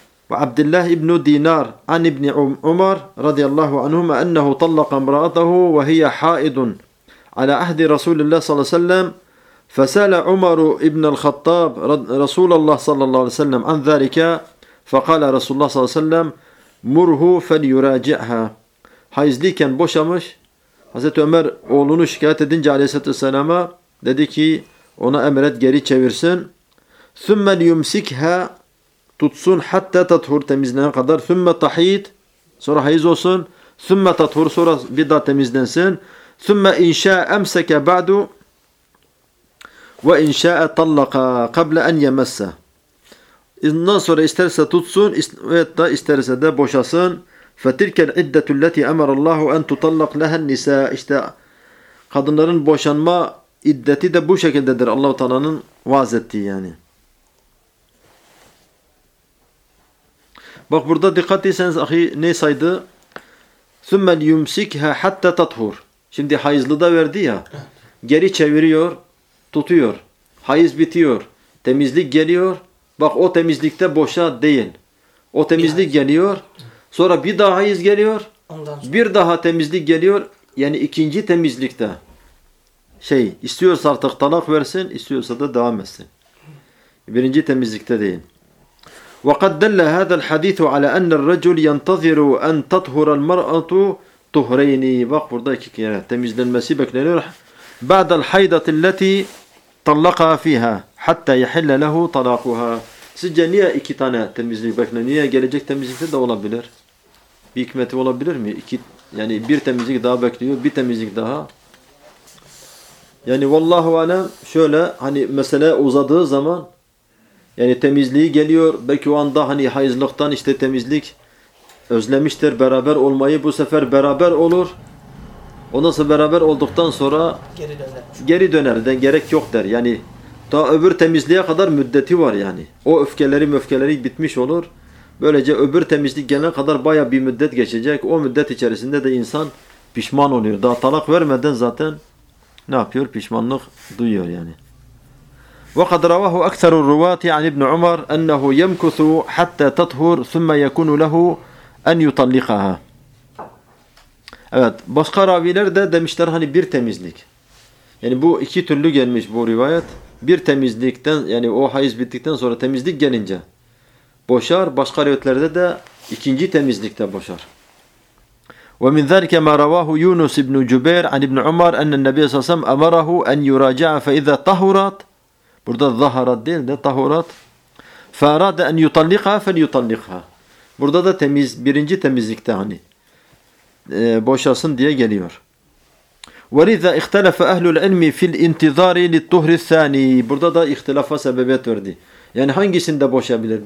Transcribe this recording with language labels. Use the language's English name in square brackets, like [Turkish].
[Arabic] وعبد الله ابن دينار عن ابن عمر رضي الله عنهما أنه طلق امرأته وهي حائض على عهد رسول الله صلى الله عليه وسلم فسأل عمر ابن الخطاب رسول الله صلى الله عليه وسلم عن ذلك فقال رسول الله صلى الله عليه وسلم مره فليراجعها. [Turkish] Hayızlıyken boşamış. Hazreti Ömer oğlunu şikayet edince aleyhisselama dedi ki ona emret geri çevirsin. [Arabic] ثُمَّ لِيُمْسِكْهَا [Turkish] tutsun [Arabic] حَتَّى تَطْهُرْ [Turkish] temizlenene kadar. [Arabic] ثُمَّ تَحِيدْ [Turkish] sonra hayız olsun. [Arabic] ثُمَّ تَطْهُرْ [Turkish] sonra bir daha temizlensin. [Arabic] ثُمَّ اِنْشَاءَ اَمْسَكَ بَعْدُ وَاِنْشَاءَ طَلَّقَ قَبْلَ اَنْ يَمَسَّ [Turkish] İndan sonra isterse tutsun veyahut da isterse de boşasın. [Arabic] فَتِلْكَ الْعِدَّةُ الَّتِي اَمَرَ اللّٰهُ اَنْ تُطَلَّقْ لَهَا النِّسَاءِ [Turkish] İşte kadınların boşanma iddeti de bu şekildedir Allah-u Teala'nın vaaz ettiği yani. Bak burada dikkat etseniz ahi ne saydı? [Arabic] ثُمَّ الْيُمْسِكْهَا حَتَّى تَطْهُرْ [Turkish] Şimdi hayızlı da verdi ya. Geri çeviriyor, tutuyor. Hayız bitiyor. Temizlik geliyor. Bak o temizlikte boşa değil. O temizlik geliyor. Sonra bir daha hayız geliyor. Bir daha temizlik geliyor. Yani ikinci temizlikte. Şey istiyorsa artık talak versin. İstiyorsa da devam etsin. birinci temizlikte değil. [Arabic] وقد دل هذا الحديث على أن الرجل ينتظر أن تطهر المرأة طهرين. [Turkish] Bak burada iki kere temizlenmesi bekleniyor. [Arabic] بعد الحيضة التي طلقها فيها حتى يحل له طلاقها. [Turkish] Sizce niye iki tane temizlik bekleniyor? Niye gelecek temizlikte de olabilir? Bir hikmeti olabilir mi? İki, yani bir temizlik daha bekliyor, bir temizlik daha. Yani vallahu alem şöyle, hani mesele uzadığı zaman, yani temizliği geliyor, belki o anda hani hayızlıktan işte temizlik özlemiştir beraber olmayı, bu sefer beraber olur. Ondan sonra beraber olduktan sonra geri döner, gerek yok der. Yani ta öbür temizliğe kadar müddeti var yani. O öfkeleri möfkeleri bitmiş olur. Böylece öbür temizlik gelene kadar baya bir müddet geçecek. O müddet içerisinde de insan pişman oluyor. Daha talak vermeden zaten ne yapıyor? Pişmanlık duyuyor yani. [Arabic] وقد رواه أكثر الرواة عن ابن عمر أنه يمكث حتى تطهر ثم يكون له أن يطلقها. [Turkish] Evet, başka raviler de demişler hani bir temizlik. Yani bu iki türlü gelmiş bu rivayet. Bir temizlikten yani o hayız bittikten sonra temizlik gelince boşar. Başka rivayetlerde de ikinci temizlikte boşar. [Arabic] ومن ذلك ما رواه يونس بن جبير عن ابن عمر أن النبي صلى الله عليه وسلم أمره أن يراجع فإذا طهرت. [Turkish] Burada zaharat değil de tahurat. [Arabic] فَارَادَ اَنْ يُطَلِّقَهَا فَلْيُطَلِّقْهَا. [Turkish] Burada da temiz, birinci temizlikte hani boşasın diye geliyor. [Arabic] وَلِذَا اِخْتَلَفَ اَهْلُ الْعِلْمِ فِي الْاِنْتِذَارِ لِلطُّهْرِ الثَّانِي. [Turkish] Burada da ihtilafa sebebiyet verdi. Yani hangisinde boşabilir?